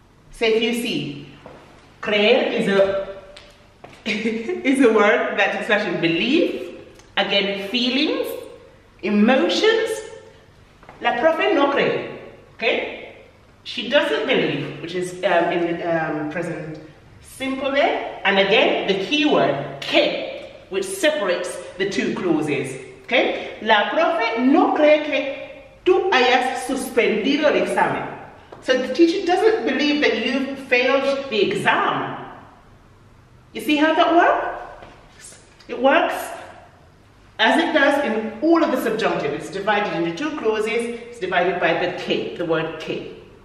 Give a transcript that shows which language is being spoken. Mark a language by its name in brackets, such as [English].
[English] So if you see, creer is a is a word that expresses in belief, again, feelings, emotions. [Spanish] La profe no cree, [English] okay? She doesn't believe, which is in the present simple there. And again, the key word, que, which separates the two clauses, okay? [Spanish] La profe no cree que tú hayas suspendido el examen. [English] So the teacher doesn't believe that you've failed the exam. You see how that works? It works as it does in all of the subjunctive. It's divided into two clauses. It's divided by the que, the word que.